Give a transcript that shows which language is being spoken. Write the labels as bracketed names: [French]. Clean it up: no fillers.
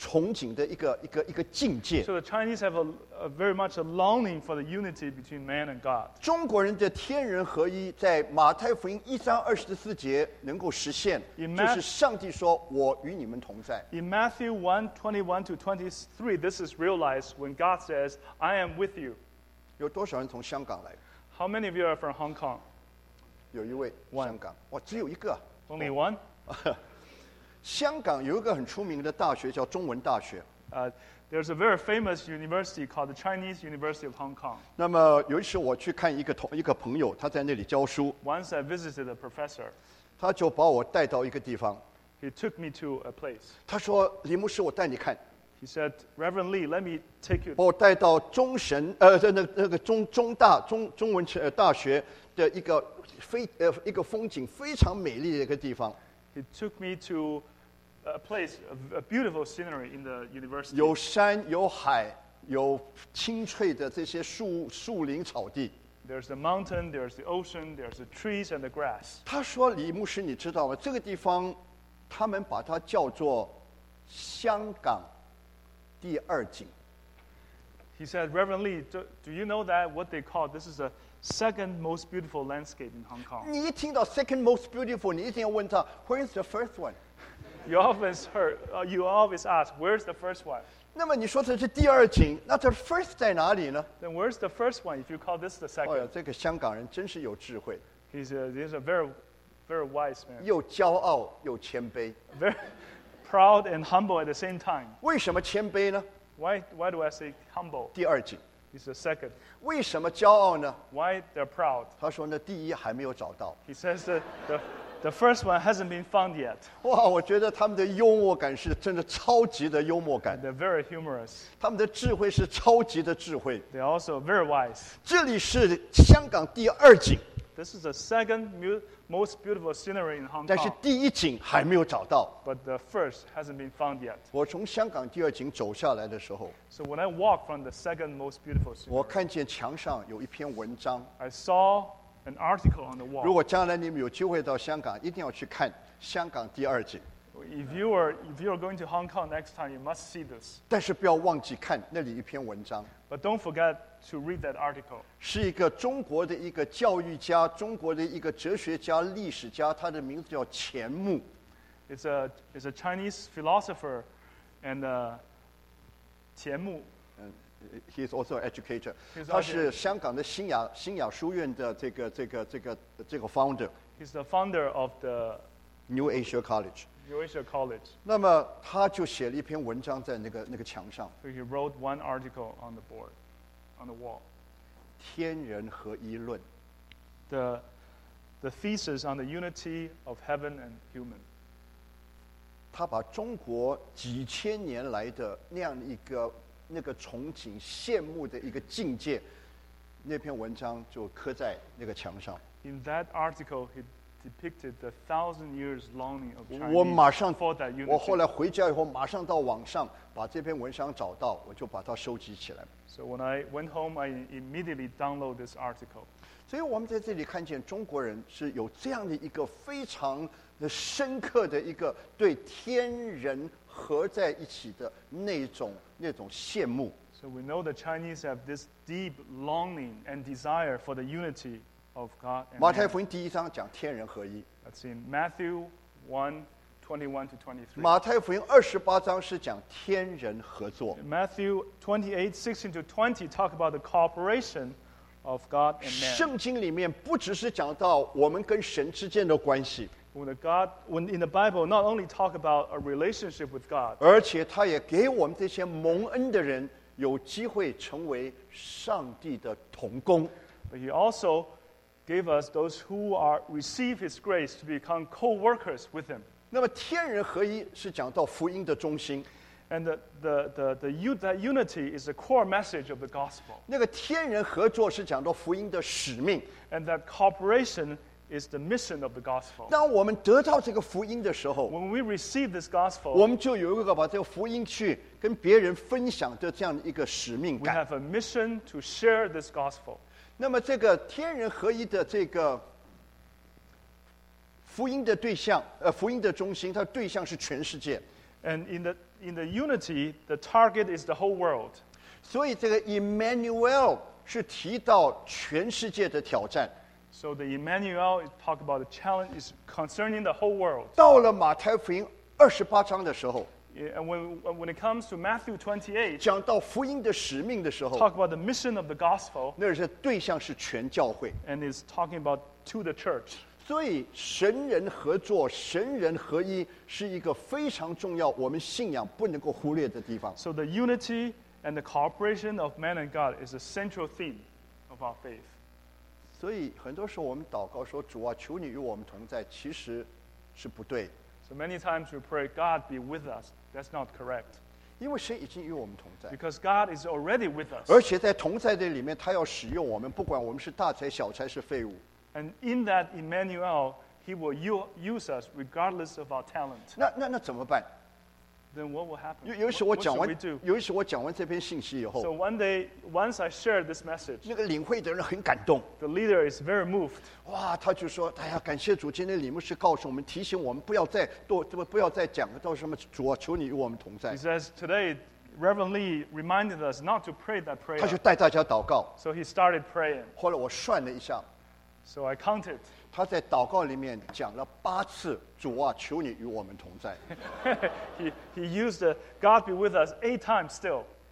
[Chinese] 所以中国人对天人合一是一个非常非常憧憬的一个境界。 [English] So the Chinese have a very much a longing for the unity between man and God. [Chinese] 中国人的天人合一在马太福音1:24节能够实现, 就是上帝说我与你们同在。 [English] In Matthew 1:21-23, this is realized when God says, I am with you. [Chinese] 有多少人从香港来? [English] How many of you are from Hong Kong? [Chinese] 有一位香港, 哇, 只有一个, [English] only one? [Chinese] 香港有一个很出名的大学叫中文大学。 [English] There's a very famous university called the Chinese University of Hong Kong. [Chinese] 那么有一次我去看一个朋友, 他在那里教书。 [English] Once I visited a professor. [Chinese] 他就把我带到一个地方。 [English] He took me to a place. [Chinese] 他说，李牧师，我带你看。 [English] He said, Reverend Lee, let me take you. [Chinese] 把我带到中神，那个中文大学的一个风景非常美丽的一个地方。 [English] He took me to a place, a beautiful scenery in the university. [Chinese] 有山，有海，有青翠的这些树林草地。 [English] There's the mountain, there's the ocean, there's the trees and the grass. [Chinese] 他说，李牧师，你知道吗？这个地方，他们把它叫做香港第二景。 [English] He said, Reverend Lee, do you know that what they call this is the second most beautiful landscape in Hong Kong? [Chinese] 你一听到 [English] second most beautiful, [Chinese] 你一定要问他 [English] where's the first one? You often heard, you always ask, where's the first one? [Chinese] 那么你说这是第二景，那这 first 在哪里呢？ [English] Then where's the first one if you call this the second? [Chinese] 哎呀，这个香港人真是有智慧。 [English] He's a very, very wise man. [Chinese] 又骄傲又谦卑。 [English] Very proud and humble at the same time. [Chinese] 为什么谦卑呢？ [English] Why do I say humble? [Chinese] 第二景。 [English] He's the second. [Chinese] 为什么骄傲呢？ [English] Why they're proud? [Chinese] 他说那第一还没有找到。 [English] He says the first one hasn't been found yet. [Chinese] 哇，我觉得他们的幽默感是真的超级的幽默感。 [English] They're very humorous. [Chinese] 他们的智慧是超级的智慧。 [English] They're also very wise. [Chinese] 这里是香港第二景。 [English] This is the second most beautiful scenery in Hong Kong. [Chinese] 但是第一景还没有找到。 [English] But the first hasn't been found yet. [Chinese] 我从香港第二景走下来的时候。 [English] So when I walk from the second most beautiful scenery. [Chinese] 我看见墙上有一篇文章。 [English] I saw an article on the wall. [Chinese] 如果将来你们有机会到香港，一定要去看香港第二景。 [English] If you are going to Hong Kong next time, you must see this. [Chinese] 但是不要忘记看那里一篇文章。 [English] But don't forget to read that article. [Chinese] 是一个中国的一个教育家，中国的一个哲学家、历史家，他的名字叫钱穆。 [English] It's a Chinese philosopher, and 钱穆。 He's also an educator. [Chinese] 他是香港的新雅书院的这个 founder. [English] He's the founder of the New Asia College. New Asia College. [Chinese] 那么他就写了一篇文章在那个墙上。 [English] So he wrote one article on the board, on the wall. [Chinese] 天人合一论。 [English] The thesis on the unity of heaven and human. [Chinese] 他把中国几千年来的那样一个那个憧憬羡慕的一个境界，那篇文章就刻在那个墙上。 [English] In that article, he depicted the thousand years longing of Chinese. [Chinese] 我马上，我后来回家以后，马上到网上把这篇文章找到，我就把它收集起来。 [English] So when I went home, I immediately download this article. [Chinese] 所以我们在这里看见中国人是有这样的一个非常的深刻的一个对天人合在一起的那种羡慕。 [English] So we know the Chinese have this deep longing and desire for the unity of God. [Chinese] 马太福音第一章讲天人合一。 [English] That's in Matthew 1:21-23. [Chinese] 马太福音二十八章是讲天人合作。 [English] Matthew 28:16-20 talk about the cooperation of God and man. [Chinese] 圣经里面不只是讲到我们跟神之间的关系。 [English] When in the Bible, not only talk about a relationship with God, [Chinese] 而且他也给我们这些蒙恩的人有机会成为上帝的同工。 [English] But he also gave us those who are receive his grace to become co-workers with him. [Chinese] 那么天人合一是讲到福音的中心。 [English] And the unity is the core message of the gospel. [Chinese] 那个天人合作是讲到福音的使命。 [English] And that cooperation is the mission of the gospel. [Chinese] 当我们得到这个福音的时候， [English] when we receive this gospel, [Chinese] 我们就有一个把这个福音去跟别人分享的这样一个使命感。 [English] We have a mission to share this gospel. [Chinese] 那么这个天人合一的这个福音的对象，福音的中心，它的对象是全世界。 [English] And in the unity, the target is the whole world. [Chinese] 所以这个 Emmanuel 是提到全世界的挑战。 [English] So the Emmanuel talk about the challenge is concerning the whole world. [Chinese] 到了马太福音二十八章的时候， [English] yeah, and when it comes to Matthew 28, [Chinese] 讲到福音的使命的时候， [English] talk about the mission of the gospel. [Chinese] 那是对象是全教会， [English] and is talking about to the church. [Chinese] 所以神人合作、神人合一是一个非常重要我们信仰不能够忽略的地方。 [English] So the unity and the cooperation of man and God is a central theme of our faith. [Chinese] 所以很多时候我们祷告说主啊求你与我们同在其实是不对 [English] So many times we pray God be with us That's not correct [Chinese] 因为神已经与我们同在 [English] Because God is already with us [Chinese] 而且在同在的里面他要使用我们不管我们是大财小财是废物 [English] And in that Emmanuel He will use us regardless of our talent [Chinese] 那怎么办 [English] Then what will happen? What should we do? [Chinese] 尤其是我讲完这篇信息以后 [English] So one day, once I shared this message, [Chinese] 那个领会的人很感动 [English] The leader is very moved. [Chinese] 哇，他就说，哎呀，感谢主，今天李牧师告诉我们，提醒我们不要再多，不要再讲到什么主啊，求你与我们同在。 [English] He says, today, Reverend Lee reminded us not to pray that prayer. [Chinese] 他就带大家祷告。 [English] So he started praying. [Chinese] 后来我算了一下。 [English] So I counted. [Chinese] 他在祷告里面讲了八次主啊求你与我们同在 [English] he used God be with us eight times still